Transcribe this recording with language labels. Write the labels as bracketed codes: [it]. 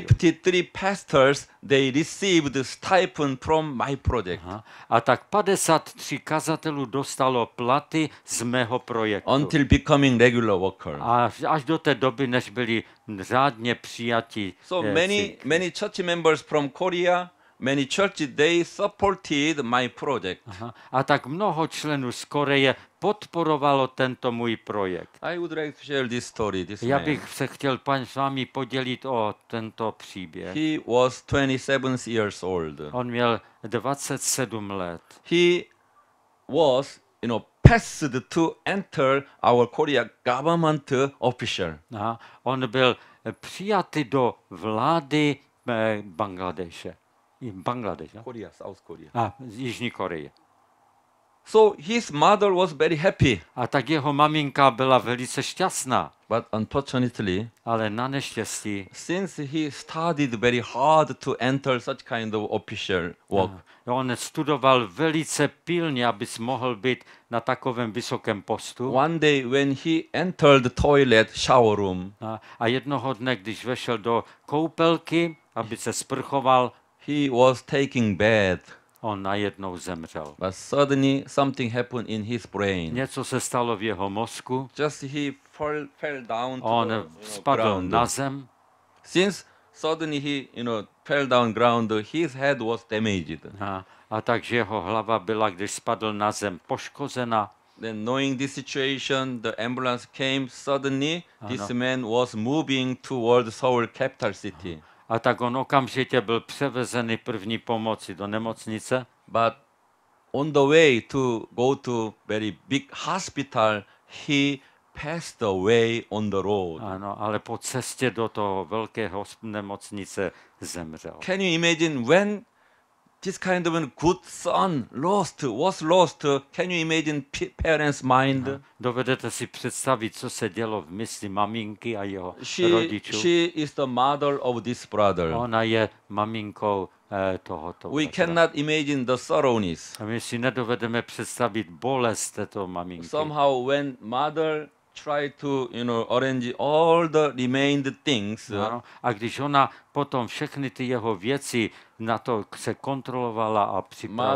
[en] 53 pastors, they received stipend from my project. [cs] A tak 53 kazatelů dostalo platy z mého projektu. [en] Until becoming regular worker. [cs] Až do té doby, než byli řádně přijati. [en] So many church members from Korea, many churches, they supported my project. [cs] A tak mnoho členů z Koreje podporovalo tento můj projekt. [en] I would like to share this story, this [cs] Já bych se chtěl s vámi podělit o tento příběh. [en] He was 27 years old. [cs] On měl 27 let. [en] He was, you know, passed to enter our Korea government official. [cs] On byl přijatý do vlády Bangladeše. Bangladeš, [en] Korea, South Korea. [cs] Jižní Koreje. [en] So his mother was very happy. [cs] A tak jeho maminka byla velice šťastná. [en] But unfortunately, [cs] ale na neštěstí, [en] since he studied very hard to enter such kind of official work. [cs] On studoval velice pilně, aby mohl být na takovém vysokém postu. [en] One day when he entered the toilet shower room. [cs] A jednoho dne, když vešel do koupelky, aby se sprchoval, [en] he was taking bath. [cs] On najednou zemřel. [en] But suddenly something happened in his brain. [cs] Něco se stalo v jeho mozku. [en] Just he fell down to [cs] on [en] the, [cs] spadl [en] ground. [cs] Na zem. [en] Since suddenly he, you know, fell down ground, his head was damaged. [cs] A takže jeho hlava byla, když spadl na zem, poškozená. [en] Then knowing this situation, the ambulance came suddenly. [cs] Ano. [en] This man was moving toward Seoul capital city. [cs] A tak on okamžitě byl převezený první pomoci do nemocnice. [en] But on the way to go to very big hospital, he passed away on the road. [cs] Ano, ale po cestě do toho velkého nemocnice zemřel. [en] Can you imagine when this kind of a good son lost, was lost? Can you imagine parents' mind? [cs] Dovedete si představit, co se dělo v mysli maminky a jeho rodičů? [en] She is the mother of this brother. [cs] Ona je maminkou tohoto. [en] We cannot imagine the sorrowness. [cs] My si nedovedeme představit bolest této maminky. [en] Somehow when mother try to, you know, arrange all the remained things. [cs] A když ona potom všechny ty jeho věci na to se kontrolovala a připravila.